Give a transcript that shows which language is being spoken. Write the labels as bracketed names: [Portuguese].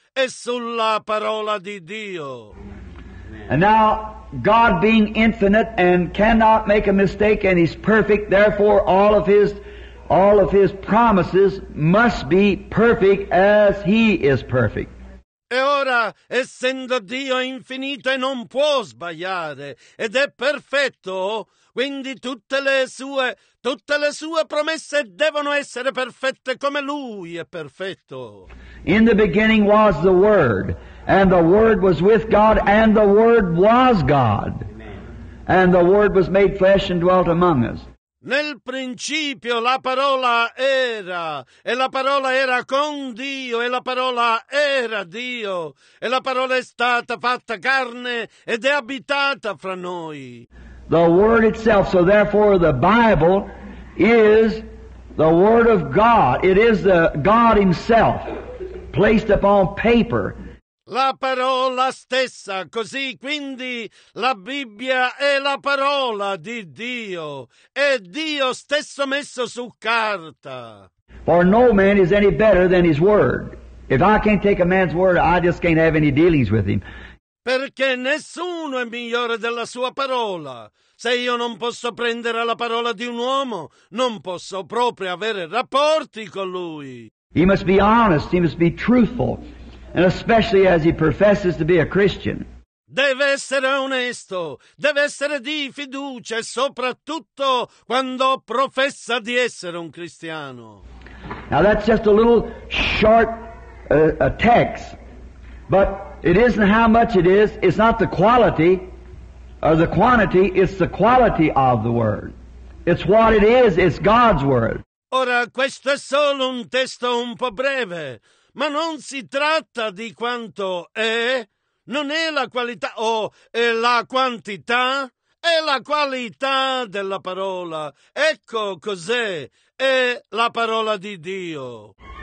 [Italian] e sulla parola di Dio. [English] And now, God being infinite and cannot make a mistake and He's perfect, therefore all of His promises must be perfect as He is perfect. [Italian] E ora, essendo Dio infinito e non può sbagliare, ed è perfetto, quindi tutte le sue promesse devono essere perfette come Lui è perfetto. [English] In the beginning was the Word, and the Word was with God, and the Word was God. And the Word was made flesh and dwelt among us. [Italian] Nel principio la parola era, e la parola era con Dio, e la parola era Dio, e la parola è stata fatta carne ed è abitata fra noi. [English] The Word itself, so therefore the Bible is the Word of God. It is the God Himself placed upon paper. [Italian] La parola stessa, così quindi la Bibbia è la parola di Dio, è Dio stesso messo su carta. [English] For no man is any better than his word. If I can't take a man's word, I just can't have any dealings with him. [Italian] Perché nessuno è migliore della sua parola. Se io non posso prendere la parola di un uomo, non posso proprio avere rapporti con lui. [English] He must be honest, he must be truthful. And especially as he professes to be a Christian. [Italian] Deve essere onesto, deve essere di fiducia, soprattutto quando professa di essere un cristiano. [English] Now that's just a little short text, but it isn't how much it is, it's not the quality or the quantity, it's the quality of the Word. It's what it is, it's God's Word. [Italian] Ora questo è solo un testo un po' breve. Ma non si tratta di quanto è, non è la qualità o è la quantità, è la qualità della parola. Ecco cos'è, è la parola di Dio.